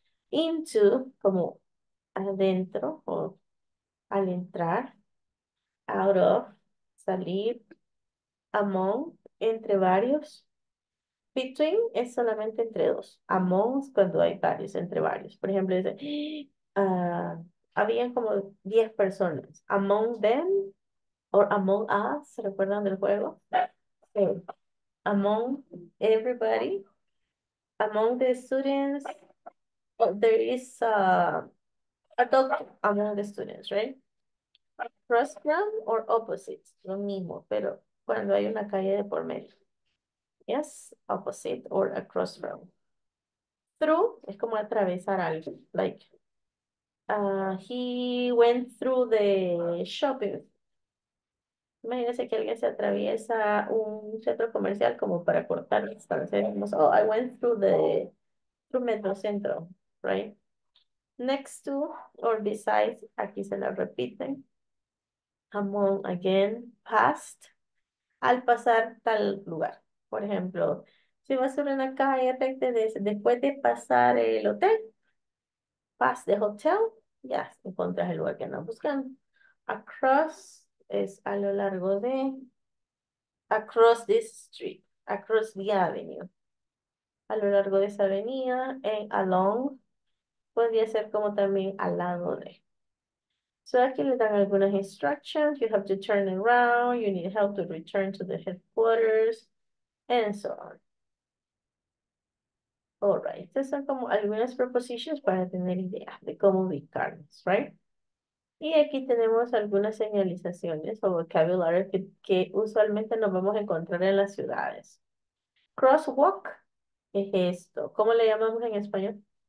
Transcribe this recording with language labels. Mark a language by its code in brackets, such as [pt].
[es] Into, como adentro o al entrar, out of, salir, among, entre varios. Between es solamente entre dos. Among es cuando hay varios, entre varios. Por ejemplo, dice, habían como 10 personas. Among them, o among us, ¿se recuerdan del juego? [en] Okay. Among everybody, among the students, there is a dog among the students, right? Cross them or opposites, [es] lo mismo, pero cuando hay una calle de por medio. [en] Yes, opposite or across from. Through [es] es como atravesar algo. [en] Like, he went through the shopping. [es] Imagínense que alguien se atraviesa un centro comercial como para cortar distancia. [en] Decimos, oh, I went through the through metro centro, right? Next to or besides, [es] aquí se la repiten. Among, again, past, al pasar tal lugar. Por ejemplo, si vas sobre una calle recta después de pasar el hotel, past the hotel, ya encuentras el lugar que andas buscando. Across es a lo largo de, [en] across this street, across the avenue. [es] A lo largo de esa avenida, en along, podría ser como también al lado de. So aquí le dan algunas instructions. [en] You have to turn around, you need help to return to the headquarters. And so on. All right. [es] Estas son como algunas preposiciones para tener ideas de cómo ubicarnos, right? Y aquí tenemos algunas señalizaciones o vocabulario que usualmente nos vamos a encontrar en las ciudades. Crosswalk es esto. ¿Cómo le llamamos en español?